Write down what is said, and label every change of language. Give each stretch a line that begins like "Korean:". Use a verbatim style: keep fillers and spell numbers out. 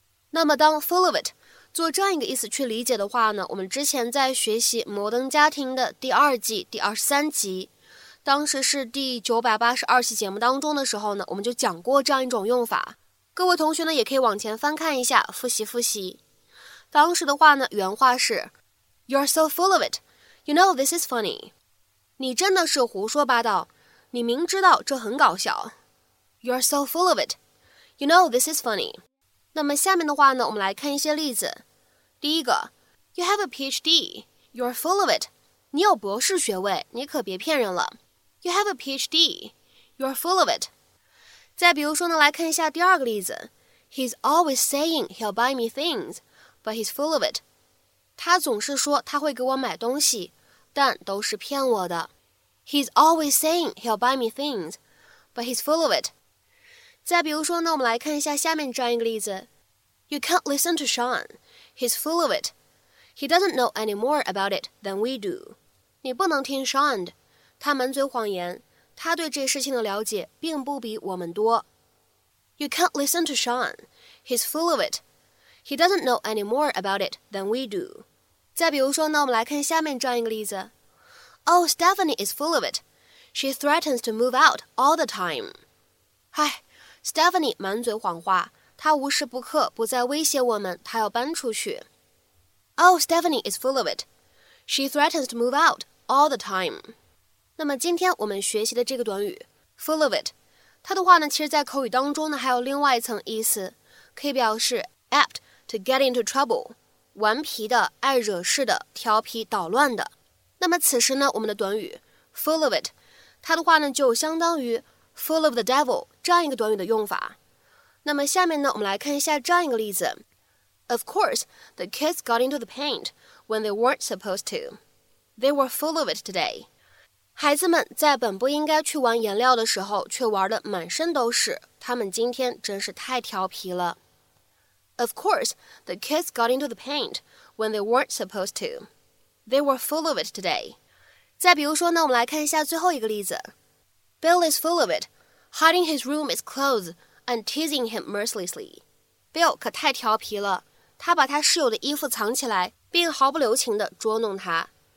Chinese: 那么当 full of it 做这样一个意思去理解的话呢，我们之前在学习摩登家庭的第二季第二十三集，当时是第九百八十二期节目当中的时候呢，我们就讲过这样一种用法，各位同学呢也可以往前翻看一下，复习复习。当时的话呢原话是
English: You are so full of it, you know this is funny.
Chinese: 你真的是胡说八道，你明知道这很搞笑。
English: You are so full of it,You know, this is funny.
Chinese: 那么下面的话呢，我们来看一些例子。第一个
English: You have a PhD. You're full of it.
Chinese: 你有博士学位，你可别骗人了。
English: You have a PhD. You're full of it.
Chinese: 再比如说呢，来看一下第二个例子。
English: He's always saying he'll buy me things, but he's full of it.
Chinese: 他总是说他会给我买东西，但都是骗我的。
English: He's always saying he'll buy me things, but he's full of it.
Chinese: 再比如说呢，我们来看一下下面这样一个例子
English: You can't listen to Sean. He's full of it. He doesn't know any more about it than we do.
Chinese: 你不能听 Sean 的，他满嘴谎言，他对这事情的了解并不比我们多。
English: You can't listen to Sean. He's full of it. He doesn't know any more about it than we do.
Chinese: 再比如说呢，我们来看下面这样一个例子
English: Oh, Stephanie is full of it. She threatens to move out all the time.
Chinese: 唉Stephanie 满嘴谎话，她无时不刻不在威胁我们，她要搬出去。
English: Oh, Stephanie is full of it. She threatens to move out all the time.
Chinese: 那么今天我们学习的这个短语
English: full of it。
Chinese: 它的话呢，其实在口语当中呢，还有另外一层意思，可以表示
English: apt to get into trouble，
Chinese: 顽皮的、爱惹事的、调皮捣乱的。那么此时呢，我们的短语 full of it， 它的话呢，就相当于
English: full of the devil
Chinese: 这样一个短语的用法。那么下面呢，我们来看一下这样一个例子。
English: Of course, the kids got into the paint when they weren't supposed to. They were full of it today.
Chinese: 孩子们在本不应该去玩颜料的时候，却玩得满身都是。他们今天真是太调皮了。
English: Of course, the kids got into the paint when they weren't supposed to. They were full of it today.
Chinese: 再比如说呢，我们来看一下最后一个例子。
English: Bill is full of it, hiding his roommate's clothes and teasing him mercilessly.
Chinese: Bill 可太调皮了。他把他室友的衣服藏起来，并毫不留情地捉弄他。